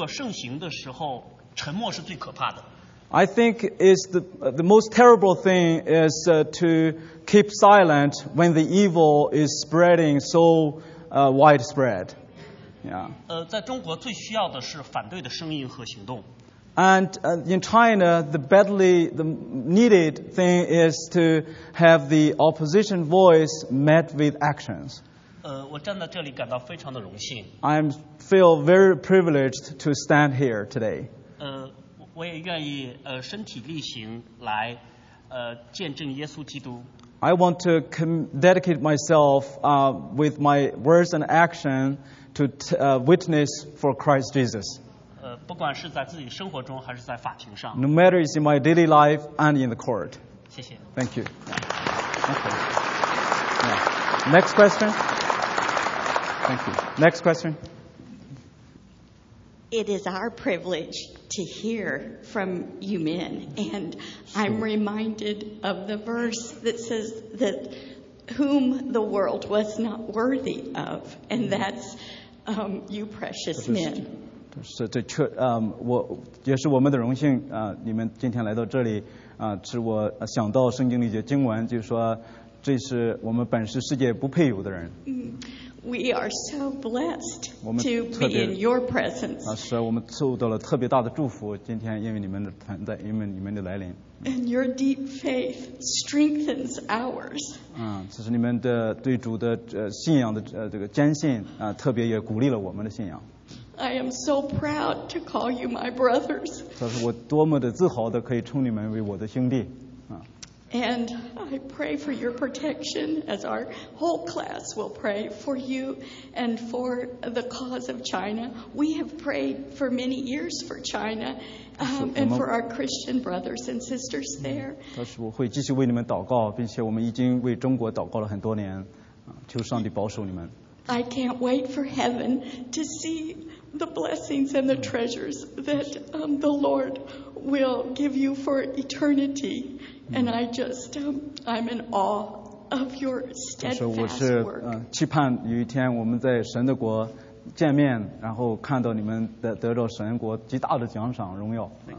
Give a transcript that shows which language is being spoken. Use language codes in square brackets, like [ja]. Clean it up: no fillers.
[zh] 我认为当邪恶如果盛行的时候，沉默是最可怕的。 [en] I think is the most terrible thing is to keep silent when the evil is spreading so widespread. Yeah. [zh] 在中国最需要的是反对的声音和行动。 [en] And in China, the needed thing is to have the opposition voice met with actions. [zh] 我站在这里感到非常的荣幸。 [en] I feel very privileged to stand here today. [zh] 我也愿意身体力行来见证耶稣基督。 [en] I want to dedicate myself with my words and action to witness for Christ Jesus. [zh] 不管是在自己生活中还是在法庭上。 [en] No matter is in my daily life and in the court. [zh] 谢谢。 [en] Thank you. Okay. Next question. Thank you. Next question. It is our privilege to hear from you men, and I'm reminded of the verse that says that whom the world was not worthy of, and that's you precious men. [zh] 是这确我也是我们的荣幸啊，你们今天来到这里啊，是我想到圣经里的经文，就是说这是我们本是世界不配有的人。 [en] We are so blessed to be in your presence. [zh] 啊，是我们受到了特别大的祝福。今天因为你们的存在，因为你们的来临。 [en] And your deep faith strengthens ours. [zh] 嗯，这是你们的对主的信仰的这个坚信啊，特别也鼓励了我们的信仰。 [en] I am so proud to call you my brothers. [zh] 这是我多么的自豪的可以称你们为我的兄弟。 [en] And I pray for your protection, as our whole class will pray for you and for the cause of China. We have prayed for many years for China and for our Christian brothers and sisters there. [zh] 但是我会继续为你们祷告，并且我们已经为中国祷告了很多年，求上帝保守你们。 [en] I can't wait for heaven to see the blessings and the treasures that the Lord will give you for eternity. And I just, I'm in awe of your steadfast work. [zh] 我是期盼有一天我们在神的国见面，然后看到你们得到神国极大的奖赏荣耀。